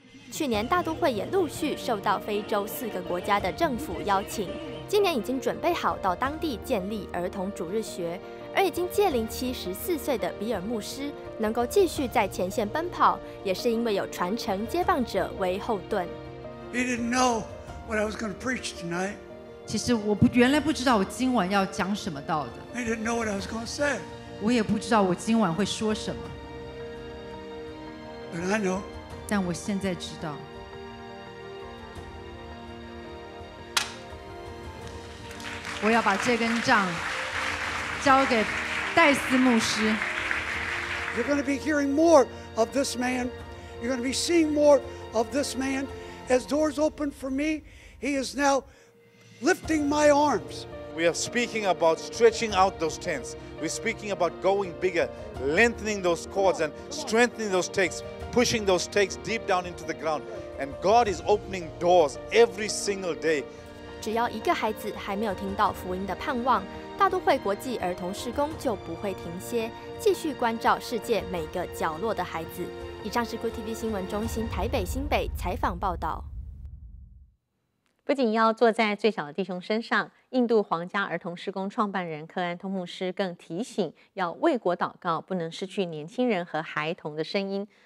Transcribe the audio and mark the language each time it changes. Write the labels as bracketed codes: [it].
[zh] 去年大都会也陆续受到非洲4个国家的政府邀请，今年已经准备好到当地建立儿童主日学，而已经届龄74岁的比尔牧师能够继续在前线奔跑，也是因为有传承接棒者为后盾。 [en] He didn't know what I was going to preach tonight. [zh] 其实我原来不知道我今晚要讲什么道的。 [en] I didn't know what I was going to say. [zh] 我也不知道我今晚会说什么。本来呢？但我现在知道。我要把这根杖交给戴斯牧师。 [en] You're going to be hearing more of this man. You're going to be seeing more of this man. As doors open for me, he is now lifting my arms. We are speaking about stretching out those tents. We're speaking about going bigger, lengthening those cords and strengthening those stakes, pushing those stakes deep down into the ground. And God is opening doors every single day. [zh] 只要一个孩子还没有听到福音的盼望，大都会国际儿童事工就不会停歇，继续关照世界每个角落的孩子。以上是 GoTV 新闻中心台北新北采访报道。不仅要坐在最小的弟兄身上，印度皇家儿童事工创办人克安通牧师更提醒，要为国祷告，不能失去年轻人和孩童的声音。